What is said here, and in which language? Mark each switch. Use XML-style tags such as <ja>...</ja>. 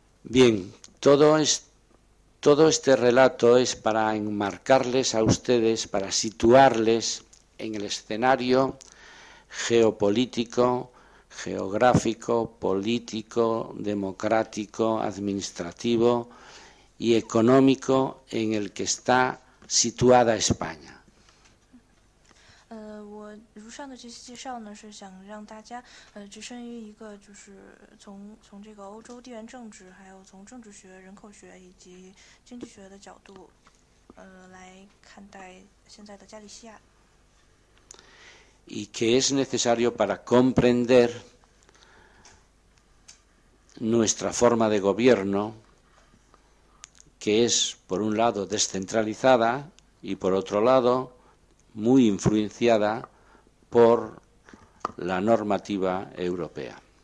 <es>Bien, todo este relato es para enmarcarles a ustedes, para situarles en el escenario geopolítico, geográfico, político, democrático, administrativo y económico en el que está situada España.</es> <zh>我如上的这些介绍呢，是想让大家置身于一个就是从这个欧洲地缘政治，还有从政治学、人口学以及经济学的角度，来看待现在的加利西亚。</zh> <es>Y que es necesario para comprender nuestra forma de gobierno, que es por un lado descentralizada y por otro lado muy influenciada por la normativa europea.</es>